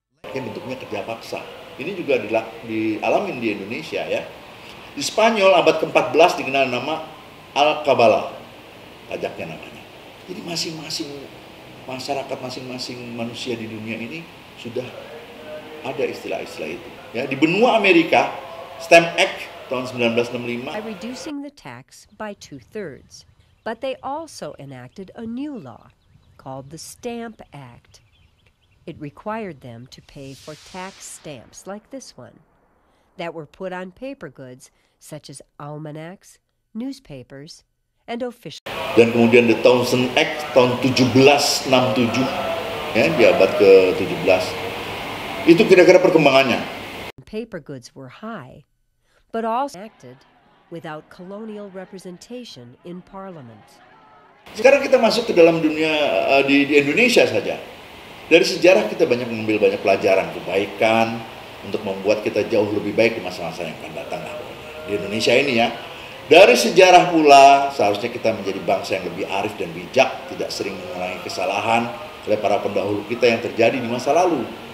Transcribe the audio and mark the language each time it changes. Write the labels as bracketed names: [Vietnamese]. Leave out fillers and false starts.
[Indonesian] Ini bentuknya kerja paksa. Ini juga dialamin di Indonesia, ya. Di Spanyol abad ke-14 dikenal nama Alcabala, pajaknya namanya. Jadi masing-masing masyarakat, masing-masing manusia di dunia ini sudah ada istilah-istilah itu. Ya, di benua Amerika, Stamp Act tahun 1965. [English] By reducing the tax by 2/3, but they also enacted a new law called the Stamp Act. It required them to pay for tax stamps like this one, that were put on paper goods such as almanacs, newspapers, and official. [Indonesian] Dan kemudian the Townshend Act tahun 1767, ya, di abad ke-17. Itu kira-kira perkembangannya. [English] Paper goods were high, but also acted without colonial representation in parliament. [Indonesian] Sekarang kita masuk ke dalam dunia di Indonesia saja. Dari sejarah kita banyak mengambil banyak pelajaran kebaikan untuk membuat kita jauh lebih baik di masa-masa yang akan datang di Indonesia ini, ya. Dari sejarah pula seharusnya kita menjadi bangsa yang lebih arif dan bijak, tidak sering mengulangi kesalahan oleh para pendahulu kita yang terjadi di masa lalu.